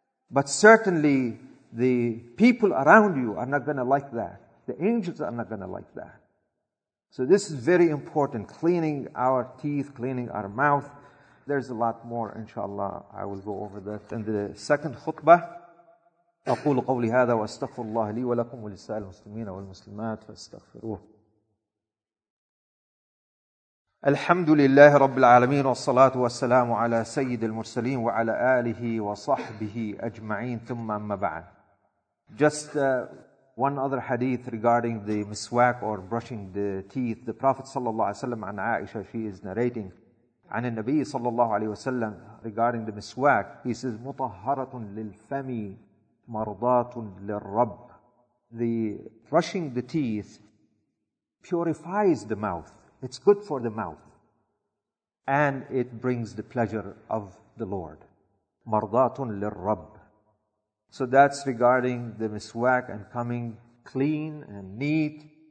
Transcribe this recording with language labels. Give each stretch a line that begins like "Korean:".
English: But certainly, the people around you are not going to like that. The angels are not going to like that. So this is very important, cleaning our teeth, cleaning our mouth. There's a lot more, inshallah. I will go over that in the second khutbah.
Arabic: أقول قولي هذا وأستغفر الله لي ولكم ولسائر المسلمين والمسلمات فاستغفروه. الحمد لله رب العالمين والصلاة والسلام على سيد المرسلين وعلى آله وصحبه أجمعين ثم أما بعد.
English: Just one other hadith regarding the miswak or brushing the teeth. The Prophet
Arabic: صلى الله عليه وسلم عن عائشة,
English: she is narrating
Arabic: عن النبي صلى الله عليه وسلم
English: regarding the miswak. He says,
Arabic: مطهرة للفم مرضاة للرب.
English: The brushing the teeth purifies the mouth. It's good for the mouth. And it brings the pleasure of the Lord.
Arabic: مَرْضَاتٌ لِلْرَبِّ
English: So that's regarding the miswak and coming clean and neat.